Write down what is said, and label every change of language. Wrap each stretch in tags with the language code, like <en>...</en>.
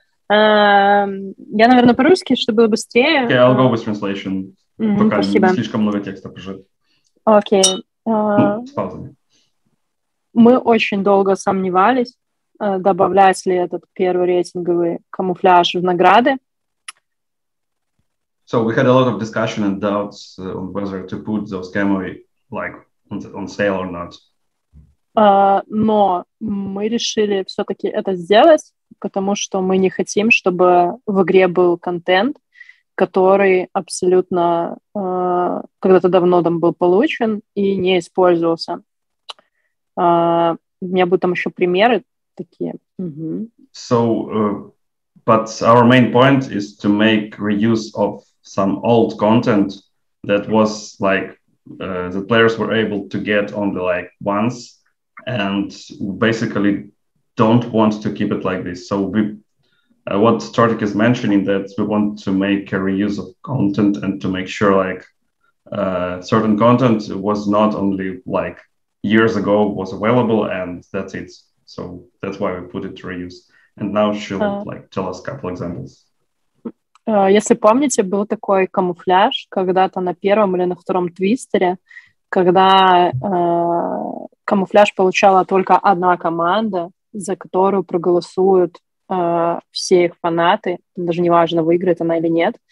<ru>Я, наверное, по-русски, чтобы было быстрее.</ru> <en>Okay, I'll go with translation.</en> <ru>Пока спасибо. Не слишком много текста пожать. Окей. С паузами. Мы очень долго сомневались, добавлять ли этот первый рейтинговый камуфляж в награды.</ru> <en>So we had a lot of discussion and doubts on whether to put those camo like on sale or not.</en> <ru>Но мы решили все-таки это сделать, потому что мы не хотим, чтобы в игре был контент, который абсолютно когда-то давно там был получен и не использовался. У меня будут там еще примеры такие. Mm-hmm.</ru> <en>So, but our main point is to make reuse of some old content that was like the players were able to get only like once, and basically don't want to keep it like this. So we, what Tortic is mentioning, that we want to make a reuse of content and to make sure like certain content was not only like years ago was available and that's it. So that's why we put it to reuse. And now she'll like tell us a couple examples.</en> <ru>Если помните, был такой камуфляж когда-то на первом или на втором твистере, когда камуфляж получала только одна команда, за которую проголосуют все их фанаты, даже неважно, выиграет она или нет.</ru>